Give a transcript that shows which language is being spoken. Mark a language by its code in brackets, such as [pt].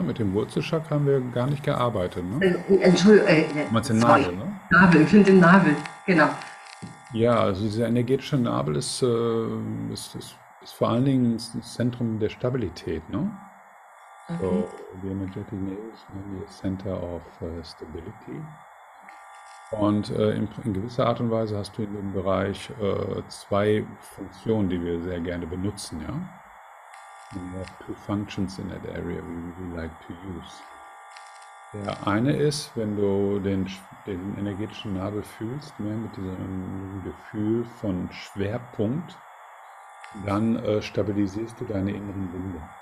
[de] Mit dem Wurzelchakra haben wir gar nicht gearbeitet, ne? Du meinst den Nabel, ne? Nabel, ich finde den Nabel, genau. Ja, also dieser energetische Nabel ist vor allen Dingen das Zentrum der Stabilität, ne? [en] So, the energetic nail is the center of stability. [de] Und in gewisser Art und Weise hast du in dem Bereich zwei Funktionen, die wir sehr gerne benutzen, ja? [en] We have two functions in that area we really like to use. [de] Der eine ist, wenn du den energetischen Nabel fühlst, mehr mit diesem Gefühl von Schwerpunkt, dann stabilisierst du deine inneren Winde.